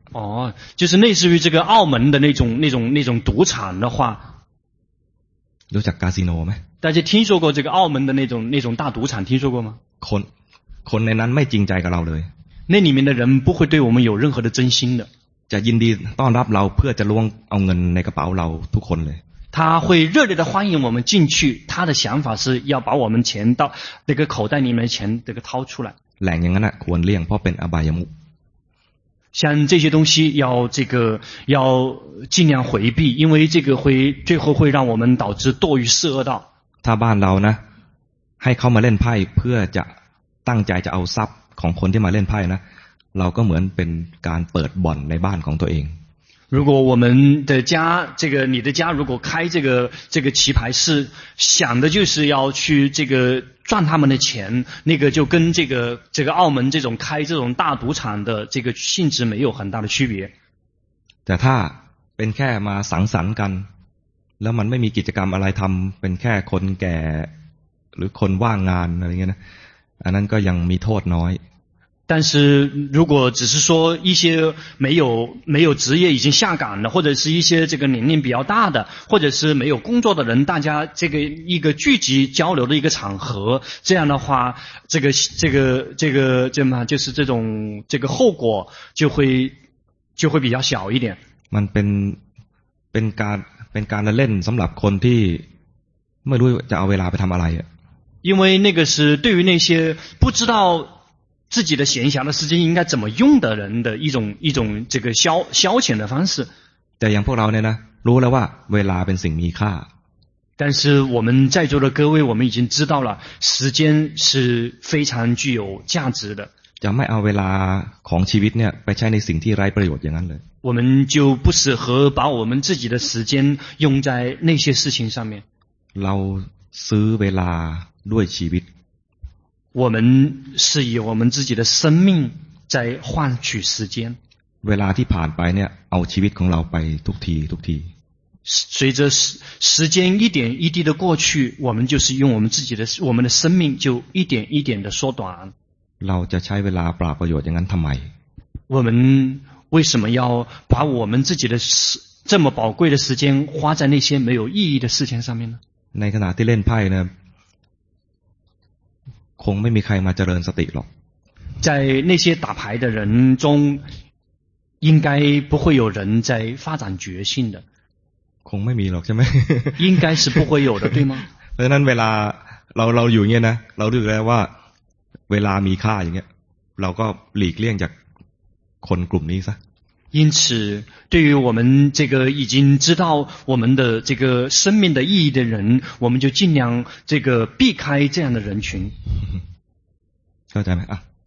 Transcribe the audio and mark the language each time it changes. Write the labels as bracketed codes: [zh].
[zh] อ๋อ就是类似于这个澳门的那种赌场的话 [th] รู้จักคาสิโนไหม [zh] 大家听说过这个澳门的那种大赌场听说过吗 [th] คนในนั้นไม่จริงใจกับเราเลย [zh] 那里面的人不会对我们有任何的真心的 [th] จะยินดีต้อนรับเราเพื่อจะล้วงเอาเงินในกระเป๋าเราทุกคนเลย [zh] 他会热烈的欢迎我们进去他的想法是要把我们钱到那个口袋里面的钱这个掏出来 [th] แหล่งอย่างนั้นน่ะควรเลี่ยงเพราะเป็นอบายมุข [zh] 像这些东西要这个要尽量回避因为这个会最后会让我们导致堕于四恶道 [th] ถ้าบ้านเรานะให้เข้ามาเล่นไพ่เพื่อจะตั้งใจจะเอาทรัพย์ของคนที่มาเล่นไพ่นะเราก็เหมือนเป็นการเปิดบ่อนในบ้านของตัวเอง [zh] 如果我们的家这个你的家如果开这个棋牌室想的就是要去这个赚他们的钱那个就跟这个澳门这种开这种大赌场的这个性质没有很大的区别 [th] แต่ถ้าเป็นแค่มาสังสรรค์กันแล้วมันไม่มีกิจกรรมอะไรทําเป็นแค่คนแก่หรือคนว่างงานอะไรเงี้ยนะอันนั้นก็ยังมีโทษน้อย [zh] 但是如果只是说一些没有职业已经下岗的或者是一些这个年龄比较大的或者是没有工作的人大家这个一个聚集交流的一个场合这样的话这个就是这种这个后果就会比较小一点 [th] มันเป็นการเล่นสำหรับคนที่ไม่รู้จะเอาเวลาไปทำอะไรอ่ะ [zh] 因为那个是对于那些不知道自己的闲暇的时间应该怎么用的人的一种这个消遣的方式。 [th] แต่อย่างพวกเราเนี่ยนะรู้แล้วว่าเวลาเป็นสิ่งมีค่า。 [zh] 但是我们在座的各位，我们已经知道了时间是非常具有价值的。 [th] จะไม่เอาเวลาของชีวิตเนี่ยไปใช้ในสิ่งที่ไร้ประโยชน์อย่างนั้นเลย。 [zh] 我们就不适合把我们自己的时间用在那些事情上面。 [th] เราซื้อเวลาด้วยชีวิต。 [zh] 我们是以我们自己的生命在换取时间。 [th] เวลาที่ผ่านไปเนี่ยเอาชีวิตของเราไปทุกทีทุกที。 [zh] 随着时间一点一滴的过去，我们就是用我们自己的我们的生命就一点一点的缩短。 [th] เราจะใช้เวลาเปล่าประโยชน์อย่างนั้นทำไม？ [zh] 我们为什么要把我们自己的这么宝贵的时间花在那些没有意义的事情上面呢？ [th] ในขณะที่เล่นไพ่นะคงไม่มีใครมาเจริญสติหรอก [zh] 在那些打牌的人中应该不会有人在发展觉性的 [th] คงไม่มีหรอกใช่ไหม [zh] 应该是不会有的对吗 [th] เพราะนั้นเวลาเราอยู่เงี้ยนะเรารู้แล้วว่าเวลามีค่าอย่างเงี้ยเราก็หลีกเลี่ยงจากคนกลุ่มนี้ซะ [zh] 因此对于我们这个已经知道我们的这个生命的意义的人我们就尽量这个避开这样的人群稍等一下啊